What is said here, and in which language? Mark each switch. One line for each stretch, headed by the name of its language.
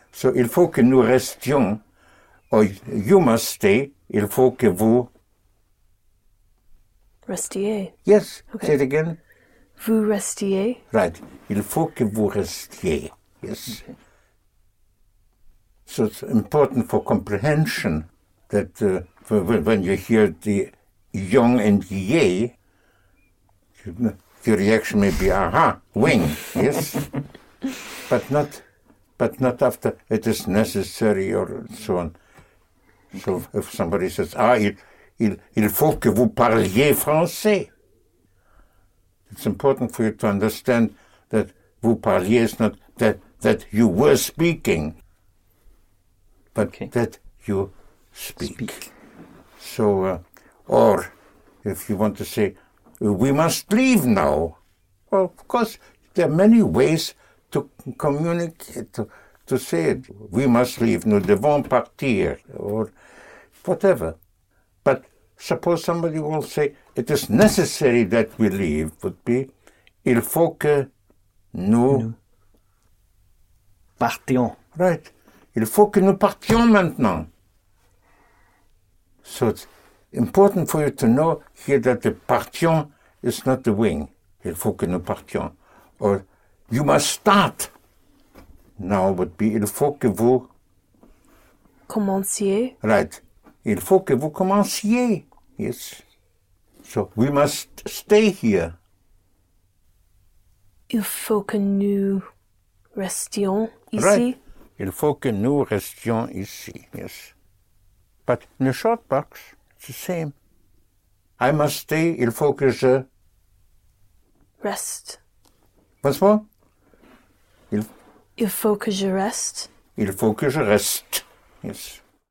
French: So, il faut que nous restions,
English: or you must stay,
French: il faut que vous restiez.
English: Yes. Okay. Say it again.
French: Vous restiez.
English: Right.
French: Il faut que vous restiez.
English: Yes. Okay. So, it's important for comprehension that when you hear the young and ye, your reaction may be, aha, wing. Yes. But not after it is necessary or so on. So if somebody says, ah,
French: il faut que vous parliez français.
English: It's important for you to understand that vous parliez is not that you were speaking, but okay, that you speak. So, or if you want to say, we must leave now. Well, of course, there are many ways to communicate, to say it. We must leave,
French: nous devons partir,
English: or whatever. But suppose somebody will say, it is necessary that we leave, would be,
French: il faut que nous partions.
English: Right.
French: Il faut que nous partions maintenant.
English: So it's important for you to know here that the partions is not the wing.
French: Il faut que nous partions.
English: Or you must start. Now would be,
French: il faut que vous commenciez.
English: Right.
French: Il faut que vous commenciez.
English: Yes. So, we must stay here.
French: Il faut que nous restions ici.
English: Right.
French: Il faut que nous restions ici.
English: Yes. But in the short box, it's the same. I must stay.
French: Il faut que je reste.
English: Once more.
French: Il faut que je reste. Il faut que je reste. Yes.